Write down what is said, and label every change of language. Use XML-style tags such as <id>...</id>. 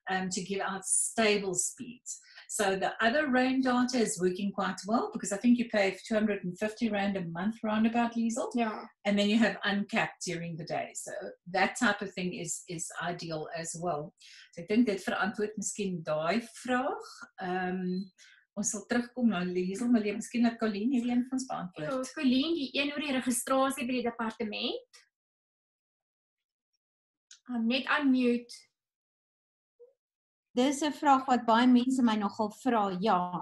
<en>to give out stable speeds. So the other RAIN data is working quite well, because I think you pay 250 Rand a month roundabout, Liesl. Yeah. And then you have uncapped during the day. So that type of thing is ideal as well. So I think that</en> <af>verantwoord miskien daai vraag. Ons sal terugkom na Liesl, maar miskien dat Colleen hierdie een van ons beantwoord. Ja, Colleen, die een oor die registrasie by die departement. Net unmute. Dit is 'n vraag wat baie mense my nogal vra, ja.</af>